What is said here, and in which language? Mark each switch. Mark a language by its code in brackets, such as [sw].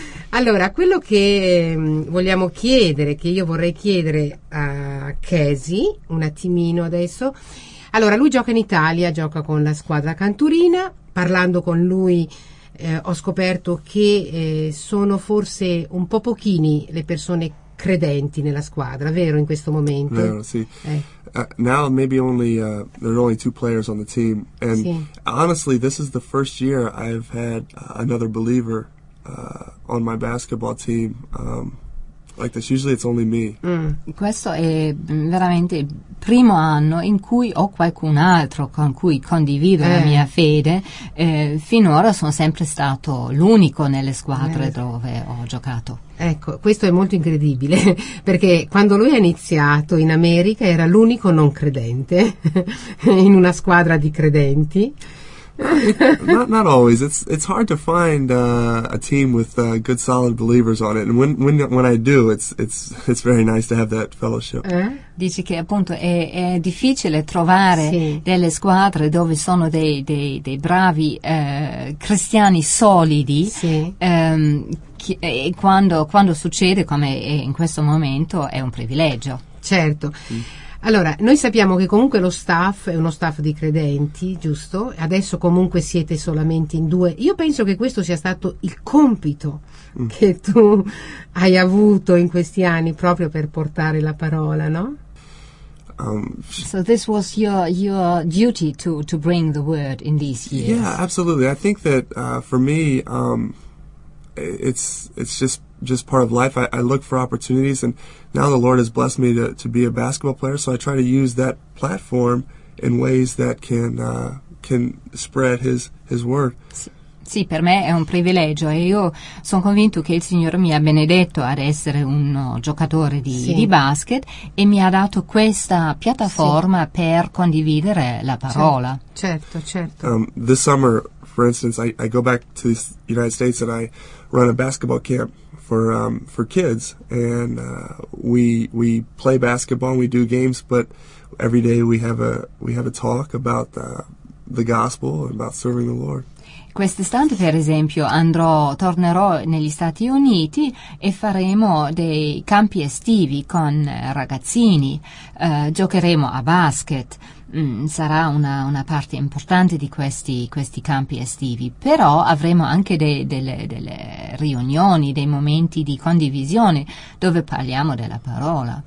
[it] Allora, quello che vogliamo chiedere, che io vorrei chiedere a Casey un attimino adesso. Allora, lui gioca in Italia, gioca con la squadra Canturina. Parlando con lui ho scoperto che sono forse un po' pochini le persone credenti nella squadra, vero, in questo momento? Vero, sì. [en] Now maybe only there are only two players on the team. And [it] sì. [en] Honestly, this is the first year I've had another believer on my basketball team like this. Usually it's only me. [it] Questo è veramente il primo anno in cui ho qualcun altro con cui condivido la mia fede. Finora sono sempre stato l'unico nelle squadre dove ho giocato. Ecco, questo è molto incredibile, perché quando lui ha iniziato in America era l'unico non credente in una squadra di credenti. [en] not always. It's hard to find a team with good solid believers on it. And when I do, it's very nice to have that fellowship. [it] Dici che appunto è difficile trovare sì. delle squadre dove sono dei bravi cristiani solidi. Sì. E quando succede, come è in questo momento, è un privilegio. Certo. Allora, noi sappiamo che comunque lo staff è uno staff di credenti, giusto? Adesso comunque siete solamente in due. Io penso che questo sia stato il compito che tu hai avuto in questi anni, proprio per portare la parola, no? [en] So this was your duty to bring the word in these years. Yeah, absolutely. I think that for me it's just part of life. I look for opportunities, and now the Lord has blessed me to be a basketball player, so I try to use that platform in ways that can spread his word. [it] Sì, per me è un privilegio e io sono convinto che il Signore mi ha benedetto ad essere un giocatore di basket e mi ha dato questa piattaforma per condividere la parola. Certo, certo. [en] This summer, for instance, I go back to the United States and I run a basketball camp for kids, and we play basketball and we do games, but every day we have a talk about the gospel and about serving the Lord. [it] Quest'estate, per esempio, tornerò negli Stati Uniti e faremo dei campi estivi con ragazzini, giocheremo a basket. Sarà una parte importante di questi campi estivi, però avremo anche delle riunioni, dei momenti di condivisione dove parliamo della parola.